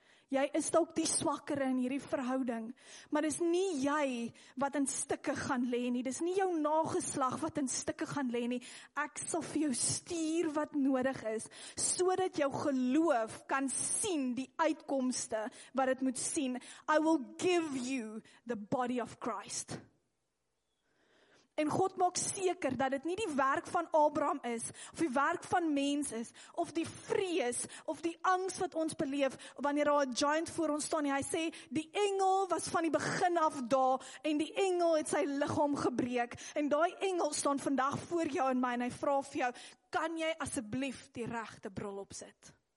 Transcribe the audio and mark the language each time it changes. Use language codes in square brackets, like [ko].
[af] Jy is dalk die swakkere in hierdie verhouding, maar dis nie jy wat in stukke gaan lê nie. Dis nie jou nageslag wat in stukke gaan lê nie. Ek sal vir jou stuur wat nodig is, sodat jou geloof kan sien die uitkomste wat het moet sien. [en] I will give you the body of Christ. [af] En God maak seker dat dit nie die werk van Abraham is, of die werk van mens is, of die vrees, of die angst wat ons beleef, wanneer daar 'n giant voor ons staan nie. Hy sê, die engel was van die begin af daar, en die engel het sy liggaam gebreek, en daai engel staan vandag voor jou en my, en hy vra vir jou, kan jy asseblief die regte bril opsit?